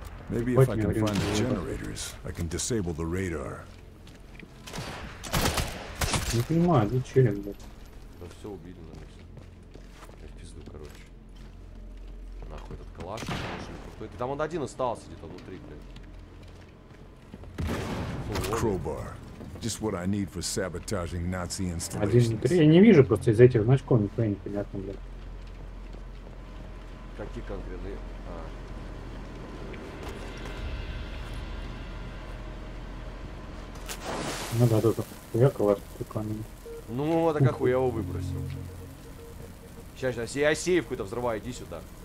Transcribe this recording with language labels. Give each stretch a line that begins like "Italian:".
English: Maybe if I can find the generators, I can disable the radar.
Russian: Не понимаю, где челик, блядь. Да все убили, наверное. Я в пизду, короче. Нахуй этот калаш, там он один остался где-то внутри, блядь.
English: Crowbar. Just what I need for sabotaging Nazi installations. 1-3.
Russian: Я не вижу просто из этих значков, никто не понятно, блядь. Какие конкретные? Ну да, тут хуяково прикольно. Ну вот так охуево выбросил. Сейчас я сейф какой-то взрываю, иди сюда.